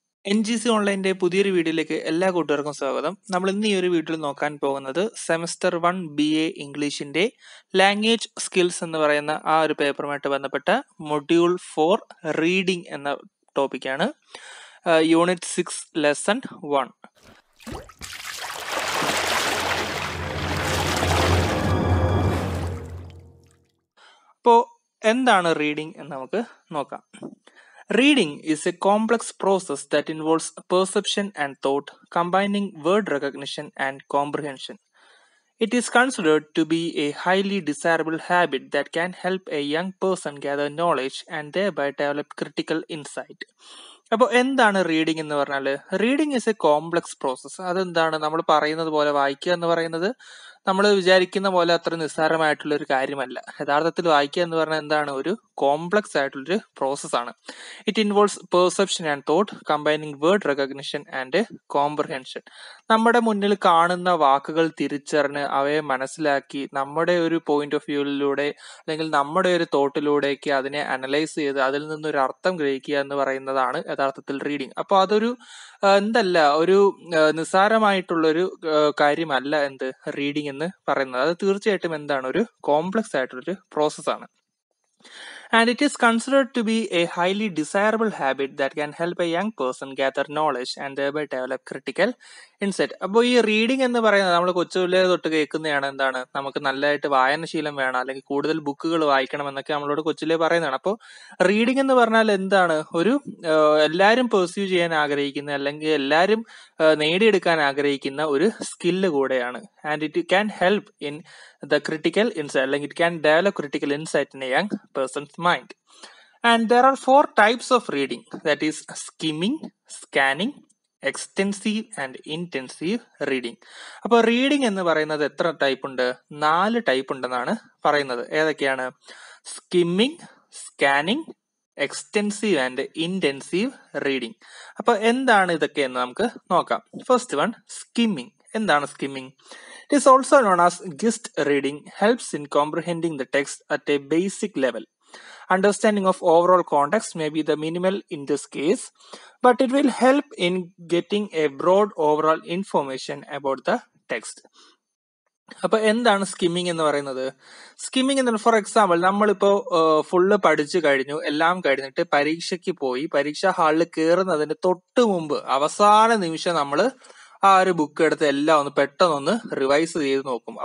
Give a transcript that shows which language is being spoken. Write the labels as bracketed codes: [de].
[ml] എൻജിസി ഓൺലൈൻ്റെ പുതിയൊരു വീഡിയോയിലേക്ക് എല്ലാ കൂട്ടുകാർക്കും സ്വാഗതം. നമ്മൾ ഇന്ന് ഈ ഒരു വീഡിയോയിൽ നോക്കാൻ പോകുന്നത് സെമസ്റ്റർ 1 BA ഇംഗ്ലീഷിൻ്റെ ലാംഗ്വേജ് സ്കിൽസ് എന്ന് പറയുന്ന ആ ഒരു പേപ്പറുമായിട്ട് ബന്ധപ്പെട്ട മൊഡ്യൂൾ 4 റീഡിംഗ് എന്ന ടോപ്പിക്കാണ്. Unit 6 lesson 1. അപ്പോൾ എന്താണ് റീഡിംഗ് എന്ന് നമുക്ക് നോക്കാം. [en] Reading is a complex process that involves perception and thought, combining word recognition and comprehension. It is considered to be a highly desirable habit that can help a young person gather knowledge and thereby develop critical insight. [ml] അപ്പോൾ എന്താണ് reading എന്ന് പറഞ്ഞാൽ, [en] Reading is a complex process. [ml] അതെന്താണ്? നമ്മൾ പറയുന്നത് പോലെ വായിക്കുക എന്ന് പറയുന്നത് നമ്മൾ വിചാരിക്കുന്ന പോലെ അത്ര നിസ്സാരമായിട്ടുള്ള ഒരു കാര്യമല്ല. യഥാർത്ഥത്തിൽ വായിക്കുക എന്ന് പറഞ്ഞാൽ എന്താണ്? ഒരു കോംപ്ലക്സ് ആയിട്ടുള്ളൊരു പ്രോസസ്സാണ്. [en] It involves perception and thought, combining word recognition and comprehension. [ml] നമ്മുടെ മുന്നിൽ കാണുന്ന വാക്കുകൾ തിരിച്ചറിഞ്ഞ് അവയെ മനസ്സിലാക്കി നമ്മുടെ ഒരു പോയിന്റ് ഓഫ് വ്യൂവിലൂടെ അല്ലെങ്കിൽ നമ്മുടെ ഒരു തോട്ടിലൂടെയൊക്കെ അതിനെ അനലൈസ് ചെയ്ത് അതിൽ നിന്നൊരു അർത്ഥം ഗ്രഹിക്കുക എന്ന് പറയുന്നതാണ് യഥാർത്ഥത്തിൽ റീഡിംഗ്. അപ്പോൾ അതൊരു എന്തല്ല, ഒരു നിസ്സാരമായിട്ടുള്ളൊരു കാര്യമല്ല എന്ത് റീഡിംഗ് എന്ന് പറയുന്നത്. അത് തീർച്ചയായിട്ടും എന്താണ്? ഒരു കോംപ്ലക്സ് ആയിട്ടുള്ളൊരു പ്രോസസ്സാണ്. [en] And it is considered to be a highly desirable habit that can help a young person gather knowledge and thereby develop critical insight. [ml] അപ്പോൾ ഈ റീഡിംഗ് എന്ന് പറയുന്നത് നമ്മൾ കൊച്ചുപിള്ളേരെ തൊട്ട് കേൾക്കുന്നതാണ്. എന്താണ്, നമുക്ക് നല്ലതായിട്ട് വായനശീലം വേണം അല്ലെങ്കിൽ കൂടുതൽ ബുക്കുകൾ വായിക്കണം എന്നൊക്കെ നമ്മളോട് കൊച്ചിലെ പറയുന്നതാണ്. അപ്പോൾ റീഡിംഗ് എന്ന് പറഞ്ഞാൽ എന്താണ്? ഒരു എല്ലാവരും പെർസ്യൂ ചെയ്യാൻ ആഗ്രഹിക്കുന്ന അല്ലെങ്കിൽ എല്ലാവരും നേടിയെടുക്കാൻ ആഗ്രഹിക്കുന്ന ഒരു സ്കില്ല് കൂടെയാണ്. [en] And it can help in the critical insight അല്ലെങ്കിൽ it can develop critical insight in a young person's mind. And there are 4 types of reading, that is skimming, scanning, extensive and intensive reading. [ml] അപ്പോൾ reading എന്ന് പറയുന്നത് എത്ര type ഉണ്ട്? 4 type ഉണ്ടെന്നാണ് പറയുന്നത്. ഏതൊക്കെയാണ്? [en] Skimming, scanning, extensive and intensive reading. [ml] അപ്പോൾ എന്താണ് ഇതൊക്കെ എന്ന് നമുക്ക് നോക്കാം. [en] First 1, skimming. എന്താണ് skimming? It is also known as gist reading, helps in comprehending the text at a basic level. Understanding of overall context may be the minimal in this case, but it will help in getting a broad overall information about the text. [ml] അപ്പൊ എന്താണ് skimming എന്ന് പറയുന്നത്? Skimming എന്ന് for example, നമ്മളിപ്പോ full പഠിച്ചു കഴിഞ്ഞു, എല്ലാം കഴിഞ്ഞിട്ട് പരീക്ഷയ്ക്ക് പോയി, പരീക്ഷാ ഹാളിൽ കയറുന്നതിന് തൊട്ട് മുമ്പ് അവസാന നിമിഷം നമ്മള് ആ ഒരു ബുക്ക് എടുത്ത് എല്ലാം ഒന്ന് പെട്ടെന്നൊന്ന് റിവൈസ് ചെയ്ത് നോക്കും.